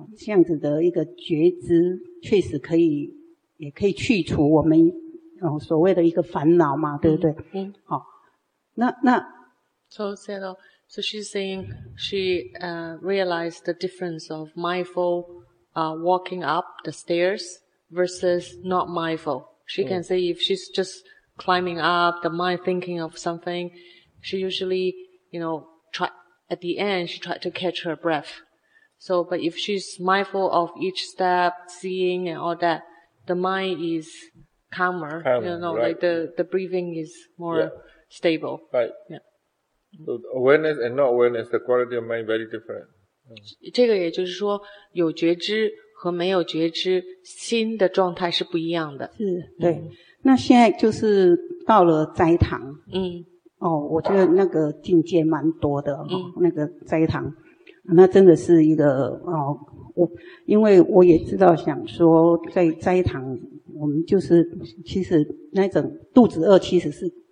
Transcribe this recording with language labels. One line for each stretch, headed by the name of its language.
Chinese: 这样子的一个觉知，确实可以，也可以去除我们所谓的一个烦恼嘛，对不对？嗯，好，那
English: so said. So she's saying she, realized the difference of mindful, walking up the stairs versus not mindful. She can say if she's just climbing up, the mind thinking of something, she usually, you know, at the end, she tried to catch her breath. So, but if she's mindful of each step, seeing and all that, the mind is calmer, calmer you know, right. like the breathing is more stable. Right. Yeah. So awareness and not awareness, the quality of mind very different.、
Chinese: 这个也就是说，有觉知和没有觉知，心的状态是不一样的。是，对。那现在就是到了斋堂。嗯。哦，我觉得那个境界蛮多的、哦嗯、那个斋堂，那真的是一个哦，因为我也知道，想说在斋堂，我们就是其实那种肚子饿，其实是。